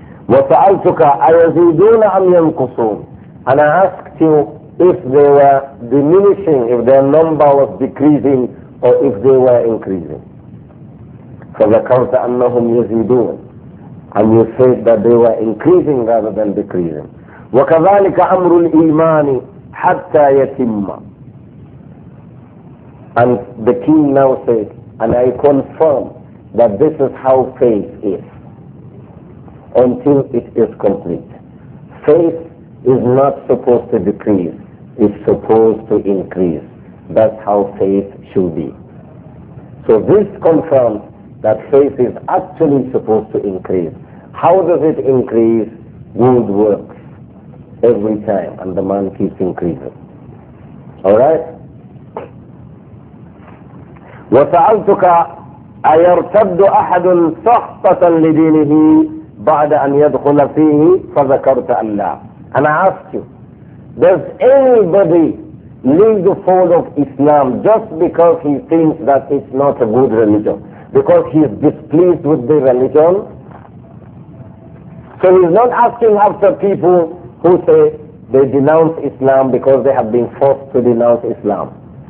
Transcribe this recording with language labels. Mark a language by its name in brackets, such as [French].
[Arabic] وَسَأَلْتُكَ أَيَزِيدُونَ أَمْ يَنْقُصُونَ. [English] And I asked you if they were diminishing, if their number was decreasing, or if they were increasing. [Arabic] فذكرت أنهم يزيدون [English] and you said that they were increasing rather than decreasing. [Arabic] وكذلك أمر الإيمان حتى يتم. [English] And the king now said, and I confirm that this is how faith is until it is complete. Faith is not supposed to decrease, it's supposed to increase. That's how faith should be. So this confirms that faith is actually supposed to increase. How does it increase? Good works every time, and the man keeps increasing. All right? [Arabic] وسألتك أيرتد أحد سخطة لدينه بعد أن يدخل فيه فذكرت أن لا. [English] And I asked you, does anybody leave the fold of Islam just because he thinks that it's not a good religion? Because he is displeased with the religion? So he's not asking after people who say they denounce Islam because they have been forced to denounce Islam.